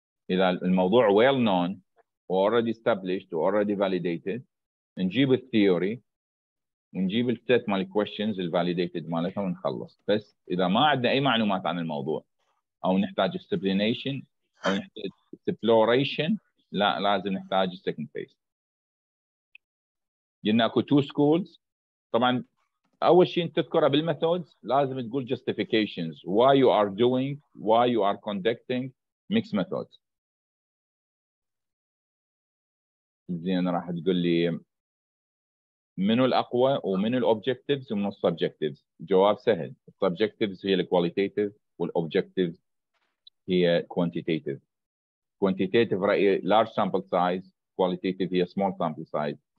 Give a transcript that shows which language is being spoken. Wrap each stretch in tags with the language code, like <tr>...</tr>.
<ar>اذا الموضوع</ar> <en>well known already established already validated,</en> <ar>نجيب الثيوري ونجيب السيت مال كويشنز الفاليديتد مالتها ونخلص. بس اذا ما عندنا اي معلومات عن الموضوع او نحتاج استبلينيشن او نحتاج اكسبلوريشن، لا لازم نحتاج السكند فيس. قلنا اكو تو سكولز. طبعا اول شيء تذكره بالميثودز لازم تقول</ar> <en>justifications why you are doing why you are conducting mixed methods.</en> <ar>زين راح تقول لي منو الاقوى ومنو الاوبجكتيفز ومنو السبجكتيفز؟ جواب سهل، السبجكتيفز هي الكواليتيتيف والاوبجكتيفز هي كوانتيتيتيف.</ar> <en>Quantitative رأي large sample size, qualitative هي small sample size.</en>